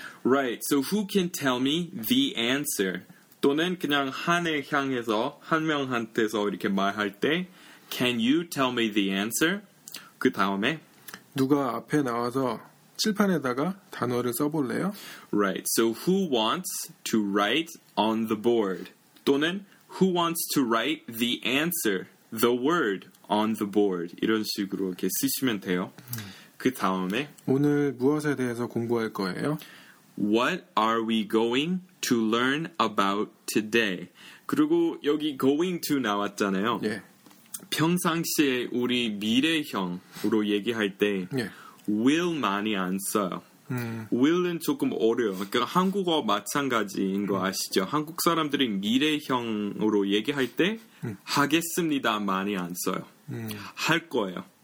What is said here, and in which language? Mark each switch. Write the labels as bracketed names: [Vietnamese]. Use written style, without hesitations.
[English] Right. So who can tell me the answer? [Korean] 또는 그냥 한 애 향해서 한 명한테서 이렇게 말할 때 [English] Can you tell me the answer? [Korean] 그 다음에 누가 앞에 나와서 칠판에다가 단어를 써볼래요? [English] Right. So who wants to write on the board? [Korean] 또는 [English] Who wants to write the answer, the word, on the board? [Korean] 이런 식으로 이렇게 쓰시면 돼요. 그 다음에 오늘 무엇에 대해서 공부할 거예요? [English] What are we going to learn about today? [Korean] 그리고 여기 going to 나왔잖아요. 예. 평상시에 우리 미래형으로 얘기할 때 예. will 많이 안 써요. Will은 조금 어려워. 그러니까 한국어 마찬가지인 거 아시죠? 한국 사람들이 미래형으로 얘기할 때 하겠습니다 많이 안 써요. 할 거예요.